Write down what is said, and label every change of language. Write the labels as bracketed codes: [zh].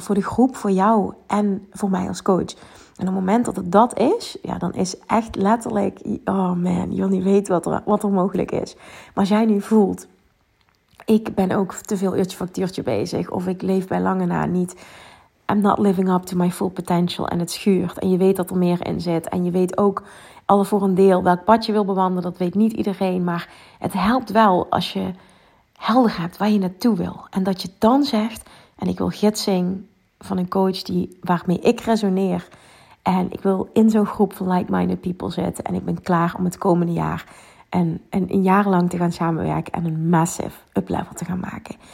[nl] Voor de groep, voor jou en voor mij als coach. En op het moment dat het dat is, ja, dan is echt letterlijk, oh man, je wil niet weten wat er mogelijk is. Maar als jij nu voelt, ik ben ook te veel uurtje factuurtje bezig. Of ik leef bij lange na niet. [en] I'm not living up to my full potential. [nl] En het schuurt. En je weet dat er meer in zit. En je weet ook al voor een deel welk pad je wil bewandelen, dat weet niet iedereen. Maar het helpt wel als je helder hebt waar je naartoe wil. En dat je dan zegt, en ik wil gidsing van een coach die waarmee ik resoneer. En ik wil in zo'n groep van [en] like-minded people [nl] zitten. En ik ben klaar om het komende jaar en een jaar lang te gaan samenwerken en een [en] massive uplevel [nl] te gaan maken.